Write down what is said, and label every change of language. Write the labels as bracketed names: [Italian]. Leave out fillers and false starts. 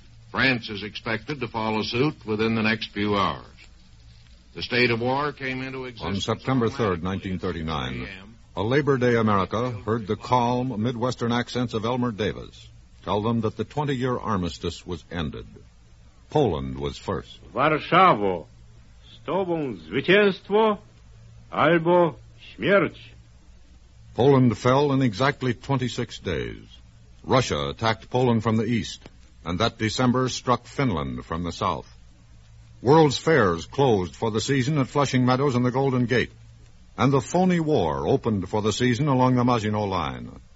[English] France is expected to follow suit within the next few hours. The state of war came into existence. On September 3rd, 1939, A Labor Day America heard the calm Midwestern accents of Elmer Davis tell them that the 20-year armistice was ended. Poland was first. [Polish] Warszawo, z tobą zwycięstwo albo śmierć. [English] Poland fell in exactly 26 days. Russia attacked Poland from the east, and that December struck Finland from the south. World's fairs closed for the season at Flushing Meadows and the Golden Gate, and the phony war opened for the season along the Maginot Line.